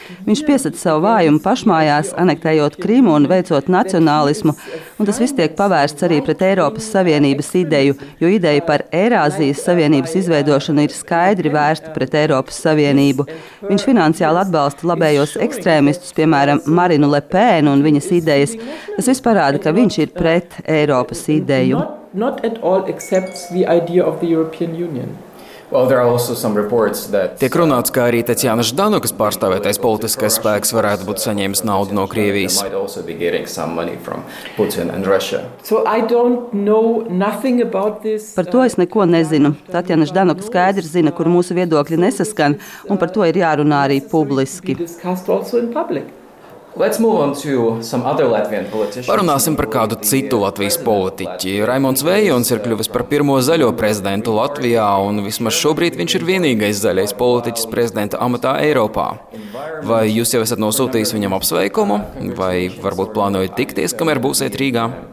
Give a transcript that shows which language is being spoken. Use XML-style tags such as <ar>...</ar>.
<lv>Viņš piesaka savu vājumu pašmājās, anektējot Krimu un veicot nacionālismu, un tas viss tiek pavērsts arī pret Eiropas Savienības ideju, jo ideja par Eirāzijas Savienības izveidošanu ir skaidri vērsta pret Eiropas Savienību. Viņš finansiāli atbalsta labējos ekstrēmistus, piemēram, Marinu Le Pen un viņas idejas. Tas viss parāda, ka viņš ir pret Eiropas ideju.</lv> <en>Not at all accepts the idea of the European Union. Well, there are also some reports that</en> <lv>tiek runāts, ka arī Tatjana Ždanokas pārstāvētais politiskais spēks varētu būt saņēmis naudu no Krievijas.</lv> <en>So I don't know nothing about this.</en> <lv>Par to es neko nezinu. Tatjana Ždanoka skaidri zina, kur mūsu viedokļi nesaskan, un par to ir jārunā arī publiski.</lv> <en>Let's move on to some other Latvian politicians.</en> <lv>Parunāsim par kādu citu Latvijas politiķi. Raimonds Vējons ir kļuvis par pirmo zaļo prezidentu Latvijā, un vismaz šobrīd viņš ir vienīgais zaļais politiķis prezidenta amatā Eiropā. Vai jūs jau esat nosūtījis viņam apsveikumu, vai varbūt plānojat tikties, kamēr būsiet Rīgā?</lv>